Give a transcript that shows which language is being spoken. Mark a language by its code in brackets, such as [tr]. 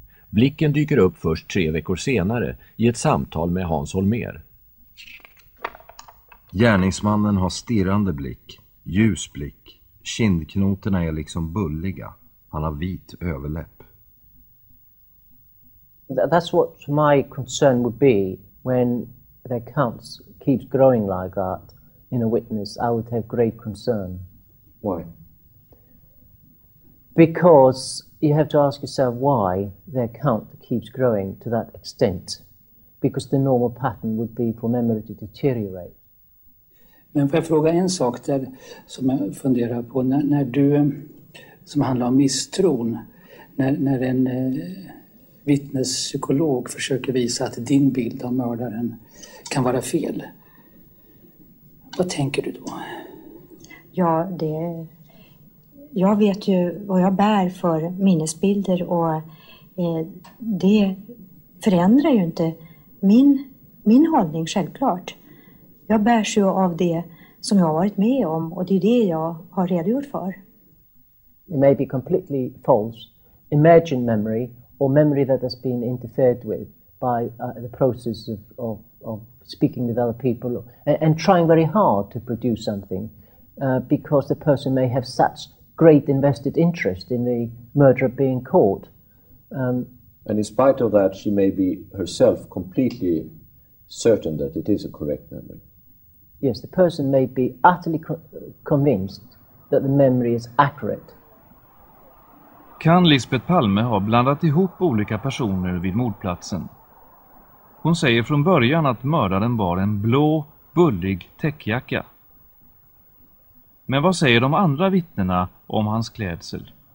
[sv] Blicken dyker upp först 3 veckor senare i ett samtal med Hans Holmer. Gärningsmannen har stirrande blick, ljus blick, kindknoterna är liksom bulliga, han har vit överläpp. [en] That's what my concern would be when their counts keeps growing like that in a witness. I would have great concern. Why? Because you have to ask yourself why their count keeps growing to that extent. Because the normal pattern would be for memory to deteriorate. [sv] Men får jag fråga en sak där som jag funderar på. När du, som handlar om misstron, när en vittnespsykolog försöker visa att din bild av mördaren kan vara fel. Vad tänker du då? Ja, det. Jag vet ju vad jag bär för minnesbilder och det förändrar ju inte min hållning självklart. Jag bärs ju av det som jag har varit med om och det är det jag har redogjort för. [en] It may be completely false. Imagine memory. Or memory that has been interfered with by the process of speaking with other people and trying very hard to produce something because the person may have such great invested interest in the murderer being caught. And in spite of that, she may be herself completely certain that it is a correct memory. Yes, the person may be utterly convinced that the memory is accurate. [sv] Kan Lisbet Palme ha blandat ihop olika personer vid mordplatsen? Hon säger från början att mördaren bar en blå, bullig täckjacka. Men vad säger de andra vittnena om hans klädsel?